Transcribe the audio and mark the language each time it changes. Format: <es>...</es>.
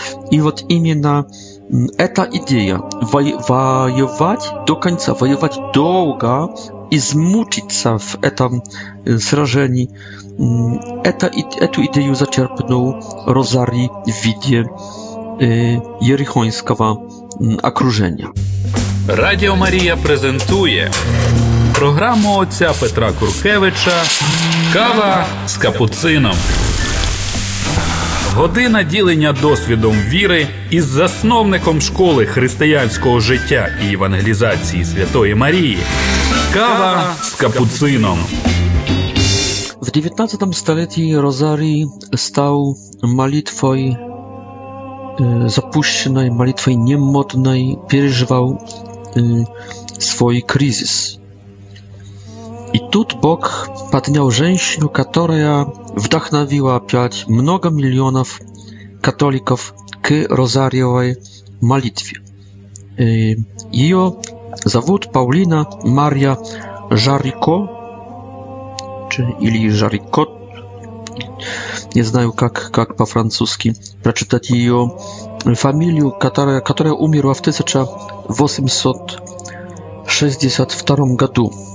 <ru>И вот именно эта идея воевать до конца, воевать долго, измучиться в этом сражении, эту идею зачерпнул розарий в виде Ерихонского окружения.</ru> <uk>Радио Мария презентує програму отця Петра Куркевича «Кава з капуцином». Година ділення досвідом віри із засновником школи християнського життя і евангелізації Святої Марії. Кава з капуцином. В 19 столітті розарій став молитвою запущеною, молитвою немодною, переживав свій кризис.</uk> <ru>И тут Бог поднял женщину, которая вдохновила опять много миллионов католиков к розарьевой молитве. Ее зовут Паулина Мария Жарико, или Жарико, не знаю, как по-французски прочитать ее фамилию, которая умерла в 1862 году.</ru>